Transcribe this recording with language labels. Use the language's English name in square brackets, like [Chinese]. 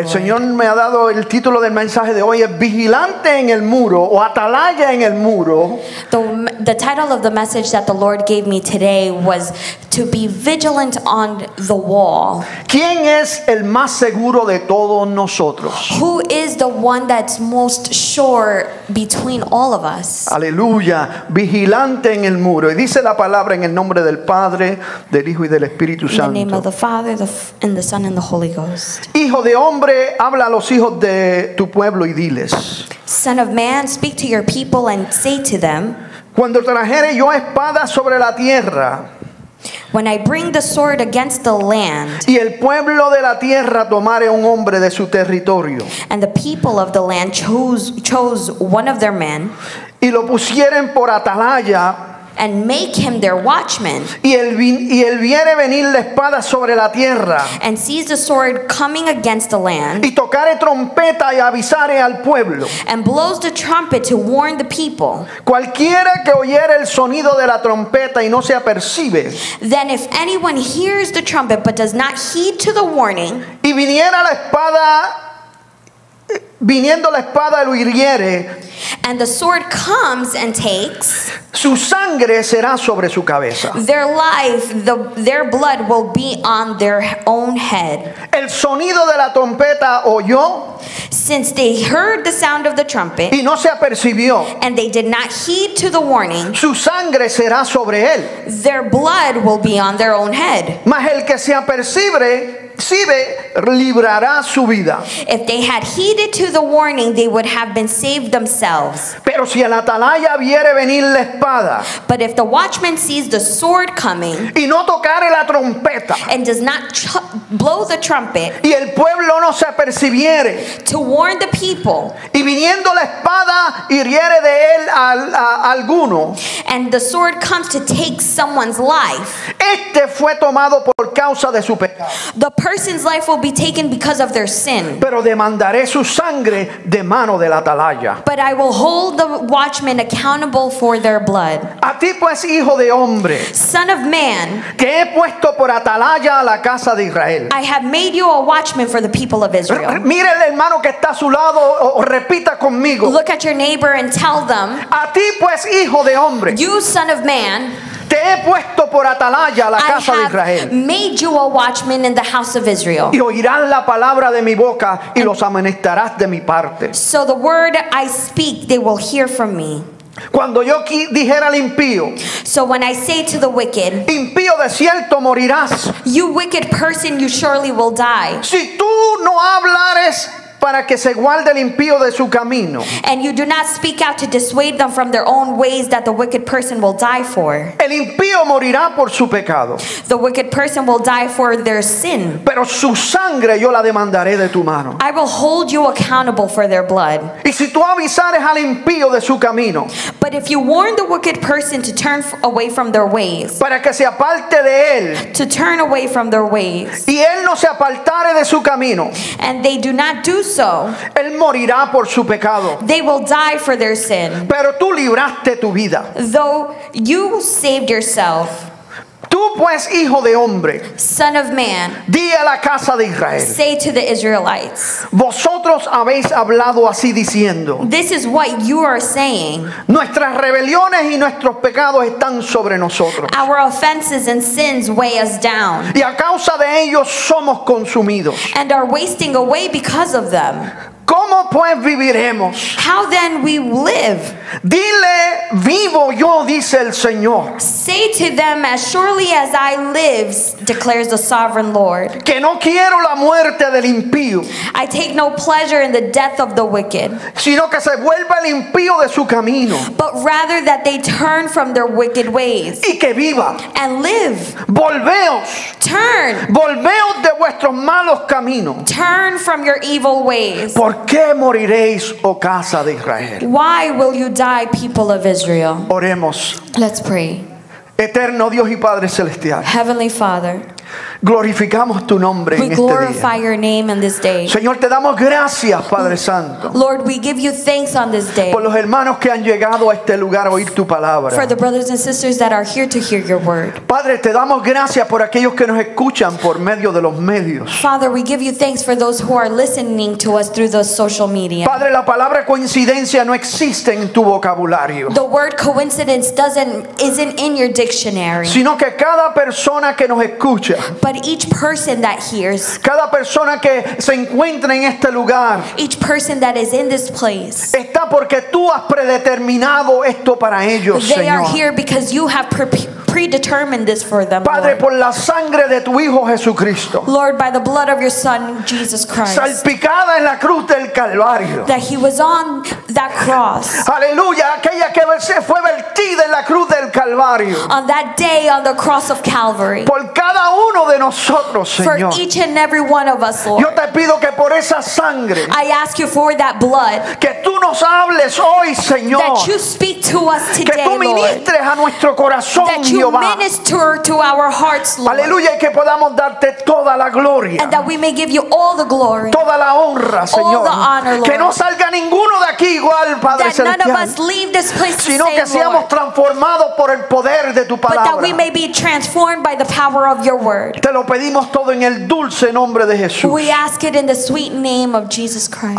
[Spanish] El Señor me ha dado el título del mensaje de hoy. Es vigilante en el muro o atalaya en el muro. [English] The title of the message that the Lord gave me today was to be vigilant on the wall. [Spanish] ¿Quién es el más seguro de todos nosotros? [English] Who is the one that's most sure between all of us? [Spanish] Aleluya, vigilante en el muro. Y dice la palabra en el nombre del Padre, del Hijo y del Espíritu Santo. [English] In the name of the Father, and the Son, and the Holy Ghost. [Spanish] Hijo de hombre, habla a los hijos de tu pueblo y diles. [English] Son of man, speak to your people and say to them. [Spanish] Cuando trajere yo espada sobre la tierra. [English] When I bring the sword against the land, [Spanish] y el pueblo de la tierra tomare un hombre de su territorio, [English] and the people of the land chose one of their men, [Spanish] y lo pusieren por atalaya, [English] and make him their watchman, [Spanish] y el viere venir la espada sobre la tierra, [English] and sees the sword coming against the land, [Spanish] y tocare trompeta y avisare al pueblo, [English] and blows the trumpet to warn the people, [Spanish] cualquiera que oyere el sonido de la trompeta y no se apercibe, [English] then if anyone hears the trumpet but does not heed to the warning, [Spanish] y viniera la espada viniendo la espada lo hiriere, [English] and the sword comes and takes, [Spanish] su sangre será sobre su cabeza. [English] Their life, their blood will be on their own head. [Spanish] El sonido de la trompeta oyó, [English] since they heard the sound of the trumpet, [Spanish] y no se apercibió, [English] and they did not heed to the warning, [Spanish] su sangre será sobre él. [English] Their blood will be on their own head. [Spanish] Mas el que se apercibe, si ve, librará su vida. [English] If they had heeded to the warning, they would have been saved themselves. [Spanish] Pero si el atalaya viere venir la espada, [English] but if the watchman sees the sword coming, [Spanish] y no tocare la trompeta, [English] and does not blow the trumpet, [Spanish] y el pueblo no se apercibiere, [English] to warn the people, [Spanish] y viniendo la espada hiriere de él a alguno, [English] and the sword comes to take someone's life, [Spanish] este fue tomado por causa de su pecado. [English] The person's life will be taken because of their sin. [Spanish] Pero demandaré su sangre de mano del atalaya. [English] But I will hold the watchman accountable for their blood. [Spanish] A ti pues, hijo de hombre, [English] son of man, [Spanish] que he puesto por atalaya a la casa de Israel. [English] I have made you a watchman for the people of Israel. [Spanish] Mire el hermano que está a su lado o repita conmigo. [English] Look at your neighbor and tell them. [Spanish] A ti pues, hijo de hombre, [English] you son of man, [Spanish] te he puesto por atalaya a la casa de Israel. [English] I have made you a watchman in the house of Israel. [Spanish] Y oirán la palabra de mi boca y los amonestarás de mi parte. [English] So the word I speak, they will hear from me. [Spanish] Cuando yo dijera al impío, [English] so when I say to the wicked, [Spanish] impío de cierto morirás. [English] You wicked person, you surely will die. [Spanish] Si tú no hablares para que se guarde el impío de su camino. [English] And you do not speak out to dissuade them from their own ways that the wicked person will die for. [Spanish] El impío morirá por su pecado. [English] The wicked person will die for their sin. [Spanish] Pero su sangre yo la demandaré de tu mano. [English] I will hold you accountable for their blood. [Spanish] Y si tú avisares al impío de su camino. [English] But if you warn the wicked person to turn away from their ways. [Spanish] Para que se aparte de él. [English] To turn away from their ways. [Spanish] Y él no se apartare de su camino. [English] And they do not do so. [Spanish] Él morirá por su pecado. [English] They will die for their sin. [Spanish] Pero tú libraste tu vida. [English] Though you saved yourself. [Spanish] Tú pues, hijo de hombre, [English] son of man, [Spanish] di a la casa de Israel, [English] say to the Israelites, [Spanish] vosotros habéis hablado así diciendo, [English] this is what you are saying, [Spanish] nuestras rebeliones y nuestros pecados están sobre nosotros, [English] our offenses and sins weigh us down, [Spanish] y a causa de ellos somos consumidos, [English] and are wasting away because of them. [Spanish] ¿Cómo pues viviremos? [English] How then we live? [Spanish] Dile, vivo yo, dice el Señor. [English] Say to them, as surely as I live, declares the sovereign Lord. [Spanish] Que no quiero la muerte del impío. [English] I take no pleasure in the death of the wicked. [Spanish] Sino que se vuelva el impío de su camino. [English] But rather that they turn from their wicked ways. [Spanish] Y que viva. [English] And live. [Spanish] Volveos. [English] Turn. [Spanish] Volveos de vuestros malos caminos. [English] Turn from your evil ways. [Spanish] ¿Por qué moriréis, oh casa de Israel? [English] Why will you die, people of Israel? [Spanish] Oremos. [English] Let's pray. [Spanish] Eterno Dios y Padre celestial. [English] Heavenly Father. [Spanish] Glorificamos tu nombre en este día. [English] We glorify your name in this day. [Spanish] Señor, te damos gracias, Padre Santo. [English] Lord, we give you thanks on this day. [Spanish] Por los hermanos que han llegado a este lugar a oír tu palabra. [English] For the brothers and sisters that are here to hear your word. [Spanish] Padre, te damos gracias por aquellos que nos escuchan por medio de los medios. [English] Father, we give you thanks for those who are listening to us through the social media. [Spanish] Padre, la palabra coincidencia no existe en tu vocabulario. [English] The word coincidence isn't in your dictionary. [Spanish] Sino que cada persona que nos escucha. [English] But each person that hears, [Spanish] cada persona que se encuentra en este lugar, [English] each person that is in this place, [Spanish] está porque tú has predeterminado esto para ellos, [English] they [Spanish] Señor. [English] Are here because you have predetermined this for them, [Spanish] Padre, [English] Lord. [Spanish] Por la sangre de tu Hijo Jesucristo, [English] Lord, by the blood of your Son, Jesus Christ, [Spanish] salpicada en la cruz del Calvario, [English] that he was on that cross, [Spanish] aleluya, aquella que se fue vertida en la cruz del Calvario, [English] on that day on the cross of Calvary, [Spanish] por cada uno de nosotros, Señor, [English] for each and every one of us, Lord, [Spanish] yo te pido que por esa sangre, [English] I ask you for that blood, [Spanish] que tú nos hables hoy, Señor, [English] that you speak to us today, [Spanish] que tú ministres, [English] Lord, [Spanish] a nuestro corazón, [English] that you minister to our hearts, Lord. [Spanish] Aleluya, y que podamos darte toda la gloria. [English] And that we may give you all the glory. [Spanish] Toda la honra, Señor. [English] All the honor, Lord. [Spanish] Que no salga ninguno de aquí igual, Padre [English] that [Spanish] celestial. [English] None of us leave this place [Spanish] sino [English] the same, [Spanish] que seamos [English] Lord. [Spanish] Transformados por el poder de tu palabra. [English] But that we may be transformed by the power of your word. [Spanish] Te lo pedimos todo en el dulce nombre de Jesús. [English] We ask it in the sweet name of Jesus Christ.